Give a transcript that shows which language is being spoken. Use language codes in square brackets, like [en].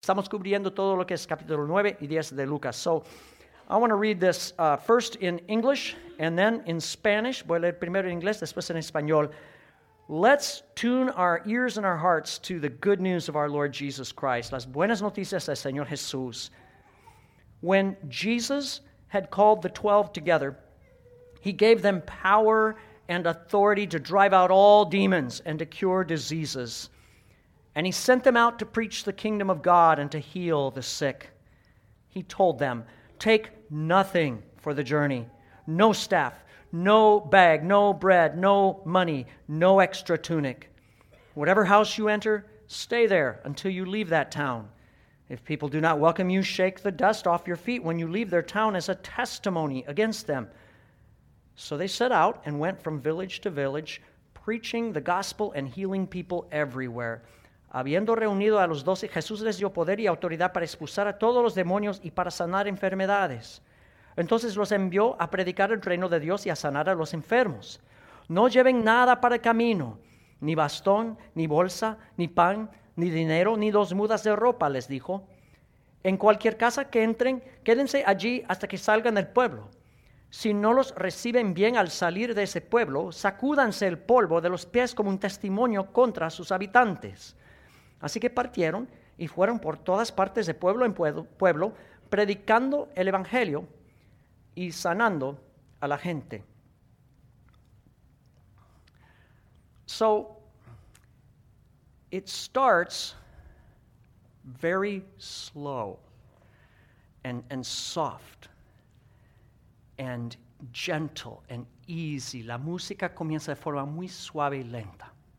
[es] Estamos cubriendo todo lo que es capítulo 9 y 10 de Lucas. [en] So, I want to read this first in English and then in Spanish. [es] Voy a leer primero en inglés, después en español. [en] Let's tune our ears and our hearts to the good news of our Lord Jesus Christ. [es] Las buenas noticias del Señor Jesús. [en] When Jesus had called the 12 together, he gave them power and authority to drive out all demons and to cure diseases. And he sent them out to preach the kingdom of God and to heal the sick. He told them, take nothing for the journey. No staff, no bag, no bread, no money, no extra tunic. Whatever house you enter, stay there until you leave that town. If people do not welcome you, shake the dust off your feet when you leave their town as a testimony against them. So they set out and went from village to village, preaching the gospel and healing people everywhere. [es] Habiendo reunido a los doce, Jesús les dio poder y autoridad para expulsar a todos los demonios y para sanar enfermedades. Entonces los envió a predicar el reino de Dios y a sanar a los enfermos. No lleven nada para el camino, ni bastón, ni bolsa, ni pan, ni dinero, ni dos mudas de ropa, les dijo. En cualquier casa que entren, quédense allí hasta que salgan del pueblo. Si no los reciben bien al salir de ese pueblo, sacúdanse el polvo de los pies como un testimonio contra sus habitantes. Así que partieron y fueron por todas partes de pueblo en pueblo, predicando el evangelio y sanando a la gente. [en] So, it starts very slow and soft and gentle and easy. [es] La música comienza de forma muy suave y lenta.